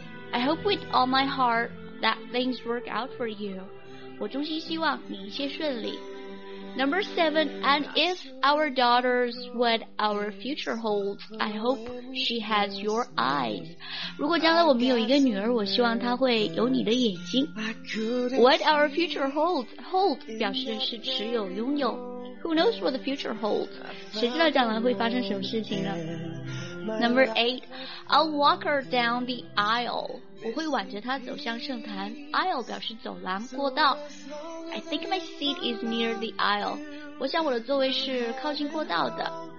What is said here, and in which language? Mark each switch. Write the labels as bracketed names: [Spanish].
[English] I hope with all my heartThat things work out for you. [Chinese] 我衷心希望你一切顺利。 [English] Number seven, and if our daughters what our future holds, I hope she has your eyes. [Chinese] 如果将来我们有一个女儿，我希望她会有你的眼睛。 [English] What our future holds, hold [Chinese] 表示是持有、拥有。 [English] Who knows what the future holds? [Chinese] 谁知道将来会发生什么事情呢？ [English] Number eight, I'll walk her down the aisle. [Chinese] 我会挽着她走向圣坛。Aisle 表示走廊、过道。 [English] I think my seat is near the aisle. [Chinese] 我想我的座位是靠近过道的。